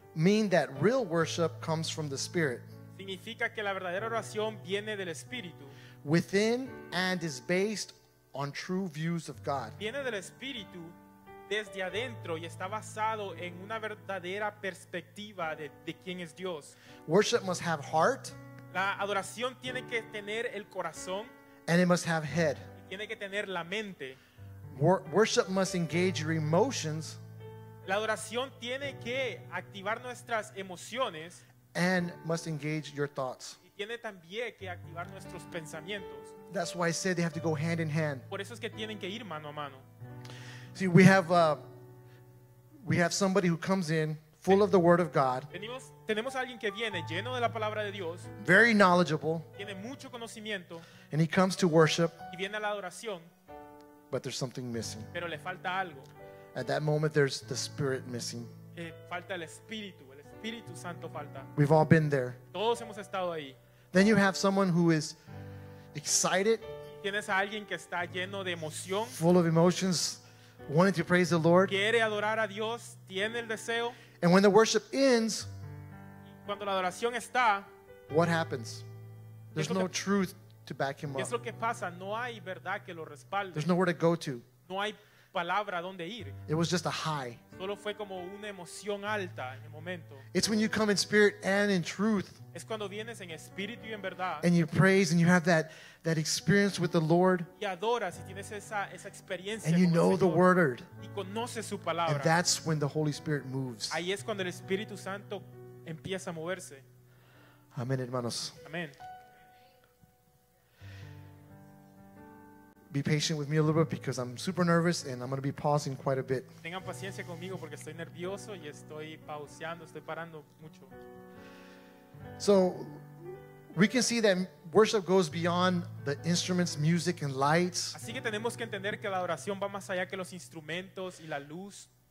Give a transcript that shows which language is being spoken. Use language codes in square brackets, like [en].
[en] mean that real worship comes from the spirit. [es] Significa que la verdadera oración viene del espíritu. [en] Within and is based on true views of God. [es] Viene del espíritu. Desde adentro y está basado en una verdadera perspectiva de quién es Dios. [en] Worship must have heart. [es] La adoración tiene que tener el corazón. [en] And it must have head. [es] Y tiene que tener la mente. [en] Worship must engage your emotions. [es] La adoración tiene que activar nuestras emociones. [en] And must engage your thoughts. [es] Y tiene también que activar nuestros pensamientos. [en] That's why I said they have to go hand in hand. [es] Por eso es que tienen que ir mano a mano. [en] See, we have somebody who comes in full of the Word of God. [es] Tenemos alguien que viene lleno de la palabra de Dios. [en] Very knowledgeable. [es] Tiene mucho conocimiento. [en] And he comes to worship. [es] Y viene a la adoración. [en] But there's something missing. [es] Pero le falta algo. [en] At that moment, there's the Spirit missing. [es] Falta el Espíritu. El Espíritu Santo falta. [en] We've all been there. [es] Todos hemos estado ahí. [en] Then you have someone who is excited. [es] Tienes a alguien que está lleno de emoción. [en] Full of emotions. Wanting to praise the Lord. [es] Quiere adorar a Dios, tiene el deseo. [en] And when the worship ends, [es] cuando la adoración está, [en] what happens? There's no truth to back him up. [es] Es lo que pasa. No hay verdad que lo respalde. [en] There's nowhere to go to. [es] No hay palabra a dónde ir. [en] It was just a high. [es] Solo fue como una emoción alta en el momento. [en] It's when you come in spirit and in truth. [es] Es cuando vienes en espíritu y en verdad. [en] And you praise and you have that experience with the Lord. [es] Y adoras y tienes esa experiencia. [en] And you know the word. [es] Y conoces su palabra. [en] And that's when the Holy Spirit moves. [es] Ahí es cuando el Espíritu Santo empieza a moverse. Amén, hermanos. Amén. [en] Be patient with me a little bit because I'm super nervous and I'm going to be pausing quite a bit. [es] Tengan paciencia conmigo porque estoy nervioso y estoy pauseando, estoy parando mucho. [en] So we can see that worship goes beyond the instruments, music and lights. [es] Así que tenemos que entender que la adoración va más allá que los instrumentos y la luz.